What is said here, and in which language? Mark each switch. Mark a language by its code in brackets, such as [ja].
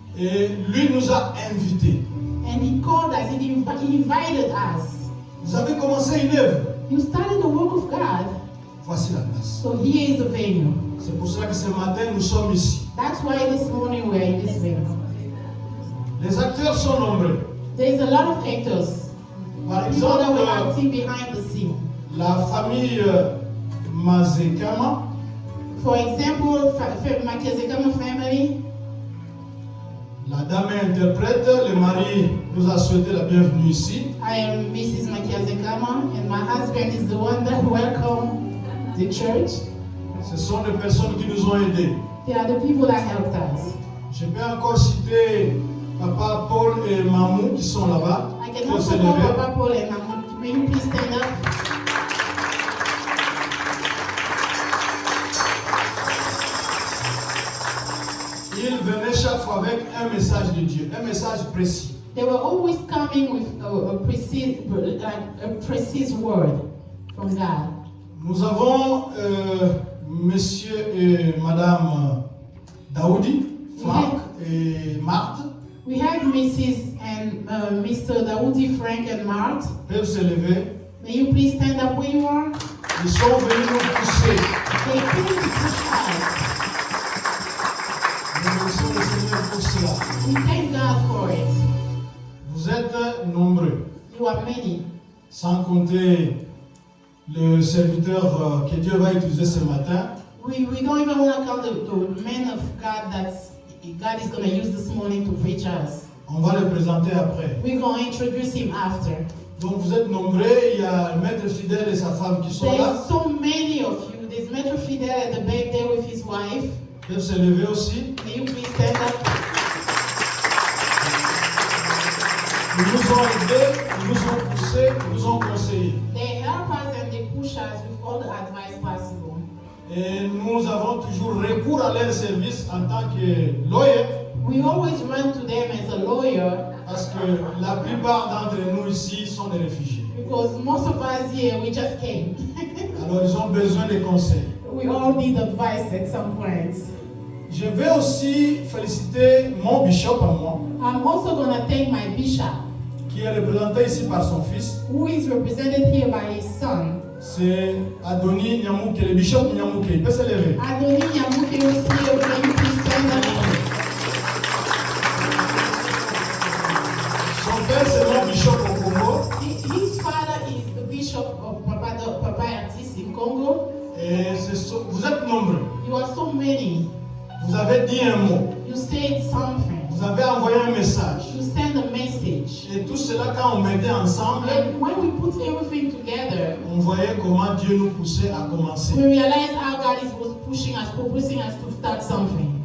[fr] Et lui nous a invités. [en] And he called us. He invited us. [fr] Vous avez commencé une œuvre. [en] You started the work of God. [fr] Voici la place. [en] So here is the venue. [fr] C'est pour cela que ce matin nous sommes ici. [en] That's why this morning we are in this venue. [fr] Les acteurs sont nombreux. [en] There's a lot of actors. [fr] Par exemple, [en] we are sitting behind the scene. [fr] La famille Mazekama. [en] For example, Mazekama family. [fr] La dame est interprète, le mari nous a souhaité la bienvenue ici. [en] I am Mrs. Mazekama and my husband is the one that welcomed the church. [fr] Ce sont les personnes qui nous ont aidés. [en] They are the people that helped us. [fr] Je peux encore citer Papa Paul et Mamou qui sont là-bas. [en] I can also call Papa Paul and Mamou. Will you please stand up? [fr] Ils venaient chaque fois avec un message de Dieu, un message précis. [en] They were always coming with a precise word from God. [fr] Nous avons Monsieur et Madame Daoudi, Frank et Marthe. [en] We have Mrs. and Mr. Daoudi, Frank and Marthe. [fr] Peuvent se lever. [en] May you please stand up where you are. [fr] Ils sont venus nous pousser. [en] They came to push us. We thank God for it. [fr] Vous êtes nombreux. [en] You are many. [fr] Sans compter le serviteur que Dieu va utiliser ce matin. [en] We don't even want to count the men of God that God is going to use this morning to preach us. [fr] On va le présenter après. [en] We're going to introduce him after. [fr] Donc vous êtes nombreux. Il y a le maître fidèle et sa femme qui sont [en] There's [fr] là. [en] So many of you. There's maître fidèle at the back there with his wife. [fr] Peut se lever aussi. [en] Can you please stand up? [fr] Ils nous ont aidés, ils nous ont poussés, ils nous ont conseillés. [en] They help us and they push us with all the advice possible. [fr] Et nous avons toujours recours à leur service en tant que lawyer. [en] We always run to them as a lawyer. [fr] Parce que la plupart d'entre nous ici sont des réfugiés. [en] Because most of us here, we just came. [fr] Alors ils ont besoin de conseils. [en] We all need advice at some point. [fr] Je vais aussi féliciter mon bishop à moi. [en] I'm also going to thank my bishop. [fr] Qui est représenté ici par son fils. [en] Who is represented here by his son. [fr] C'est Adoni Nyamuke, le bishop Nyamuke. Il peut se lever. [en] Adoni Nyamuke is here. Can you please stand up? [fr] Son père, c'est mon bishop au Congo. [en] His father is the bishop of Papa Artis in Congo. [fr] Et vous êtes nombreux. [en] You are so many. [fr] Vous avez dit un mot. [en] You said something. [fr] Vous avez envoyé un message. [en] You sent a message. [fr] Et tout cela quand on mettait ensemble. [en] And when we put everything together. [fr] On voyait comment Dieu nous poussait à commencer. [en] We realized how God was pushing us to start something.